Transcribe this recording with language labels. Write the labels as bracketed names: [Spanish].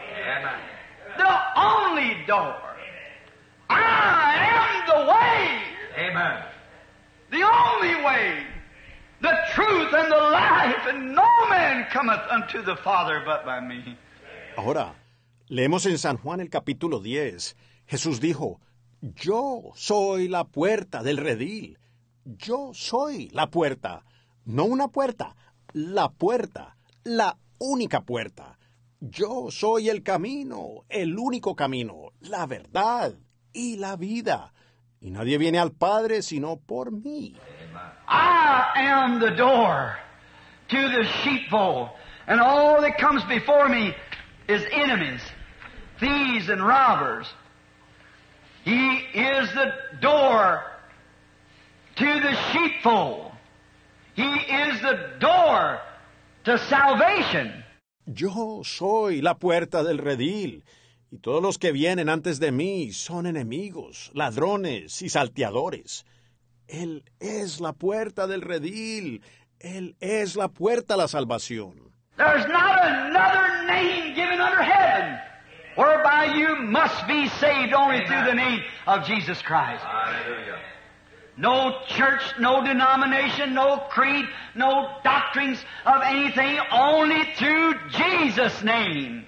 [English] Amen. The only door. Amen. I am the way. Amen. The only way. The truth and the life. And no man cometh unto the Father but by me. [Spanish] Ahora, leemos en San Juan el capítulo 10. Jesús dijo, yo soy la puerta del redil. Yo soy la puerta. No una puerta, la puerta, la única puerta. Yo soy el camino, el único camino, la verdad y la vida. Y nadie viene al Padre sino por mí. [English] I am the door to the sheepfold, and all that comes before me is enemies, thieves and robbers. He is the door to the sheepfold. He is the door to salvation. [Spanish] Yo soy la puerta del redil, y todos los que vienen antes de mí son enemigos, ladrones y salteadores. Él es la puerta del redil. Él es la puerta a la salvación. [English] There's not another name given under heaven whereby you must be saved only through the name of Jesus Christ. Hallelujah. No church, no denomination, no creed, no doctrines of anything, only through Jesus' name.